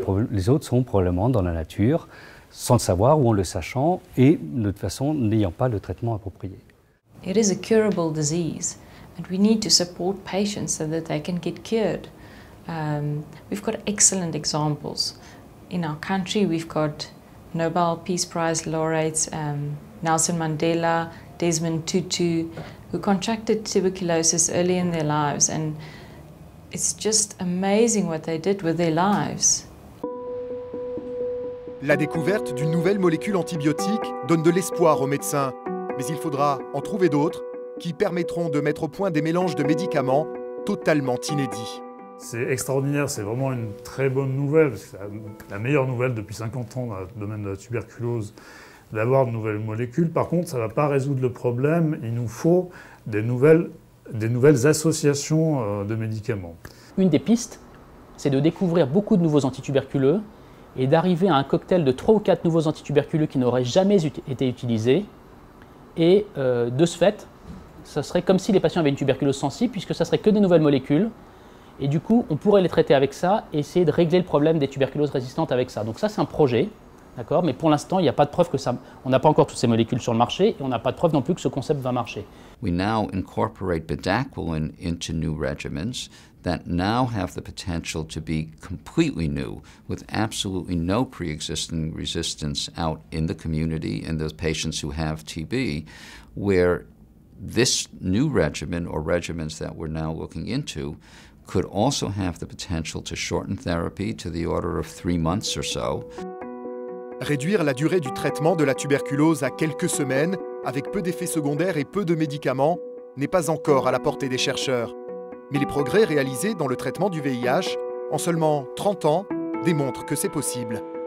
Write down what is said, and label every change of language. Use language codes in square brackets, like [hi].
[fr] Les autres sont probablement dans la nature, sans le savoir ou en le sachant, et de toute façon n'ayant pas le traitement approprié. [en] It is a curable disease, and we need to support patients so that they can get cured. We've got excellent examples in our country. We've got Nobel Peace Prize laureates Nelson Mandela, Desmond Tutu, who contracted tuberculosis early in their lives, and it's just amazing what they did with their lives. [fr] La découverte d'une nouvelle molécule antibiotique donne de l'espoir aux médecins, mais il faudra en trouver d'autres qui permettront de mettre au point des mélanges de médicaments totalement inédits. C'est extraordinaire, c'est vraiment une très bonne nouvelle, la meilleure nouvelle depuis 50 ans dans le domaine de la tuberculose, d'avoir de nouvelles molécules. Par contre, ça ne va pas résoudre le problème, il nous faut des nouvelles associations de médicaments. Une des pistes, c'est de découvrir beaucoup de nouveaux antituberculeux et d'arriver à un cocktail de 3 ou 4 nouveaux antituberculeux qui n'auraient jamais été utilisés. Et de ce fait, ça serait comme si les patients avaient une tuberculose sensible, puisque ça serait que des nouvelles molécules. Et du coup, on pourrait les traiter avec ça et essayer de régler le problème des tuberculoses résistantes avec ça. Donc ça, c'est un projet, d'accord? Mais pour l'instant, il n'y a pas de preuve que ça... On n'a pas encore toutes ces molécules sur le marché et on n'a pas de preuve non plus que ce concept va marcher. [en] We now incorporate bedaquiline into new regimens that now have the potential to be completely new with absolutely no pre-existing resistance out in the community and those patients who have TB, where this new regimen or regimens that we're now looking into could also have the potential to shorten therapy to the order of 3 months or so. [fr] Réduire la durée du traitement de la tuberculose à quelques semaines avec peu d'effets secondaires et peu de médicaments n'est pas encore à la portée des chercheurs. Mais les progrès réalisés dans le traitement du VIH en seulement 30 ans démontrent que c'est possible.